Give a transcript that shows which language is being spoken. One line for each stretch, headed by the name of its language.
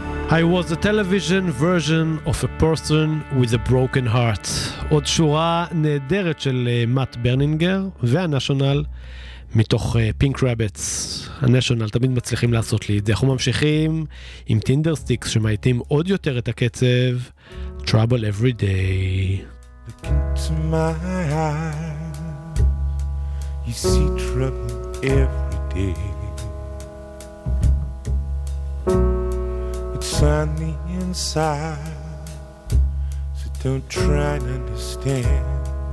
English: I was a television version of a person with a broken heart.
Hebrew: עוד שורה נהדרת של מאט ברנינגר והנשיונל מתוך פינק רביטס. הנשיונל תמיד מצליחים לעשות לי את זה. אנחנו ממשיכים עם טינדר סטיקס שמעיטים עוד יותר את הקצב.
English: Trouble every day. Look into my eyes. You see trouble every day. find me inside, so don't try and understand.